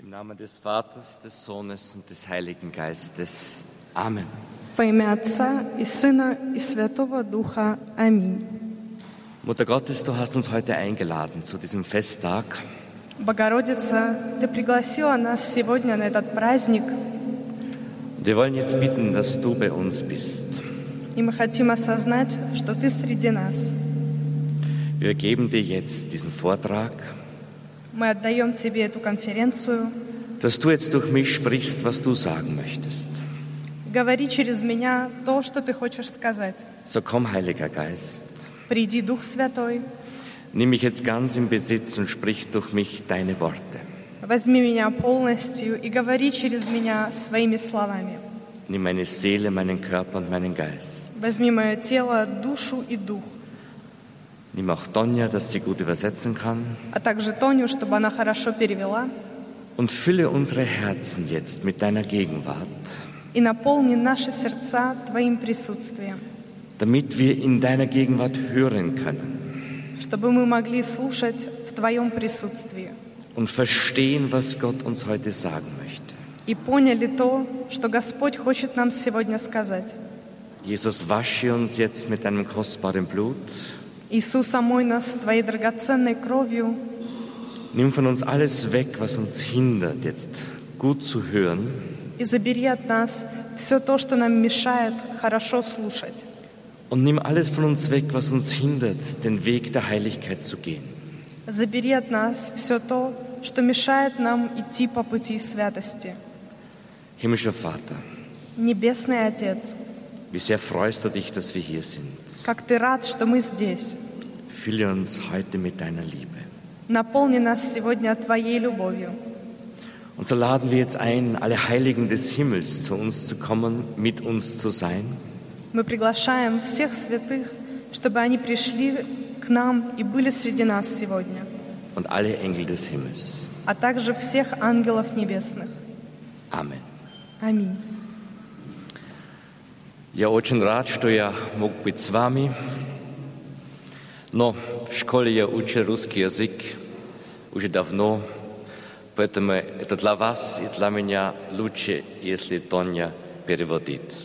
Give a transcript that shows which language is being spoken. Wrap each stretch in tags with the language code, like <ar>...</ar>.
<de>Im Namen des Vaters, des Sohnes und des Heiligen Geistes. Amen.</de> <ru>Во имя Отца и Сына и Святого Духа. Amen.</ru> <de>Mutter Gottes, du hast uns heute eingeladen zu diesem Festtag.</de> <ru>Богородица, ты пригласила нас сегодня на этот праздник.</ru> <de>Wir wollen jetzt bitten, dass du bei uns bist.</de> <ru>И мы хотим осознать, что ты среди нас.</ru> <de>Wir geben dir jetzt diesen Vortrag.</de> <ru>Мы отдаем тебе эту конференцию.</ru> <de>Dass du jetzt durch mich sprichst, was du sagen möchtest.</de> <ru>Говори через меня то, что ты хочешь сказать.</ru> <de>So komm, Heiliger Geist.</de> <ru>Приди, Дух Святой.</ru> <de>Nimm mich jetzt ganz in Besitz und sprich durch mich deine Worte.</de> <ru>Возьми меня полностью и говори через меня своими словами.</ru> <de>Nimm meine Seele, meinen Körper und meinen Geist.</de> <ru>Возьми мое тело, душу и дух.</ru> <de>Nimm auch Tonja, dass sie gut übersetzen kann.</de> <ru>А также Тоню, чтобы она хорошо перевела.</ru> <de>Und fülle unsere Herzen jetzt mit deiner Gegenwart.</de> <ru>И наполни наши сердца твоим присутствием.</ru> <de>Damit wir in deiner Gegenwart hören können.</de> <ru>Чтобы мы могли слушать в твоем присутствии.</ru> <de>Und verstehen, was Gott uns heute sagen möchte.</de> <ru>И поняли то, что Господь хочет нам сегодня сказать.</ru> <de>Jesus, wasche uns jetzt mit deinem kostbaren Blut.</de> <ru>Иисус, омой нас твоей драгоценной кровью.</ru> <de>Nimm von uns alles weg, was uns hindert, jetzt gut zu hören.</de> <ru>И забери от нас все то, что нам мешает хорошо слушать.</ru> <de>Und nimm alles von uns weg, was uns hindert, den Weg der Heiligkeit zu gehen.</de> <ru>Забери от нас все то, что мешает нам идти по пути святости.</ru> <de>Himmlischer Vater.</de> <ru>Небесный Отец.</ru> <de>Wie sehr freust du dich, dass wir hier sind.</de> <ru>Как ты рад, что мы здесь.</ru> <de>Fülle uns heute mit deiner Liebe.</de> <ru>Наполни нас сегодня твоей любовью.</ru> <de>Und so laden wir jetzt ein, alle Heiligen des Himmels zu uns zu kommen, mit uns zu sein.</de> <ru>Мы приглашаем всех святых, чтобы они пришли к нам и были среди нас сегодня.</ru> <de>Und alle Engel des Himmels.</de> <ru>А также всех ангелов небесных.</ru> <de>Amen.</de> <ru>Amen. Я очень рад, что я мог быть с вами. Но в школе я учил русский язык уже давно, поэтому это для вас и для меня лучше, если Тоня переводит.</ru>